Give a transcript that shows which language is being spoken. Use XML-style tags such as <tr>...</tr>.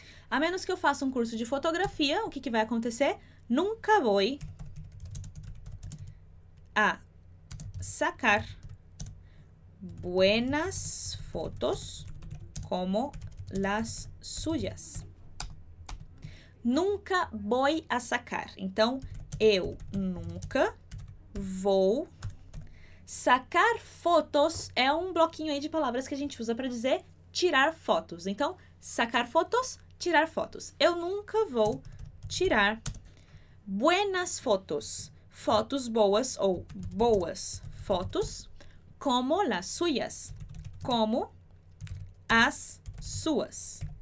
<pt>A menos que eu faça um curso de fotografia, o que, que vai acontecer?</pt> <es>Nunca vou a sacar buenas fotos como las suyas.</es> <pt>Nunca vou a sacar. Então, eu nunca vou sacar fotos. É um bloquinho aí de palavras que a gente usa para dizer tirar fotos. Então, sacar fotos, tirar fotos. Eu nunca vou tirar</pt> <es>buenas fotos,</es> <pt>fotos boas ou boas fotos,</pt> <es>como las suyas,</es> <pt>como as suas.</pt>